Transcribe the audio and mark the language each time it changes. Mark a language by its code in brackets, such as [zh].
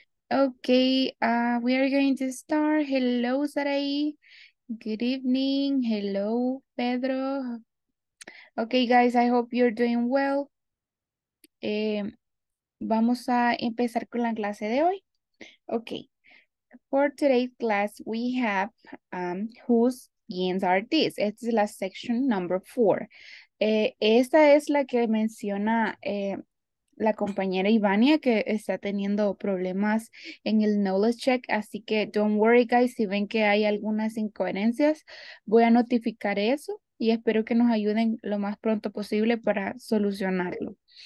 [en] Ok, we are going to start. Hello, Sarai. Good evening. Hello, Pedro. Ok, guys, I hope you're doing well. [es] Vamos a empezar con la clase de hoy. [en] Okay, for today's class we have whose genes are these. [es] Esta es la [en] section number 4. [es] Esta es la que menciona la compañera Ivania que está teniendo problemas en el knowledge check, así que [en] don't worry guys, [es] si ven que hay algunas incoherencias, voy a notificar eso y espero que nos ayuden lo más pronto posible para solucionarlo.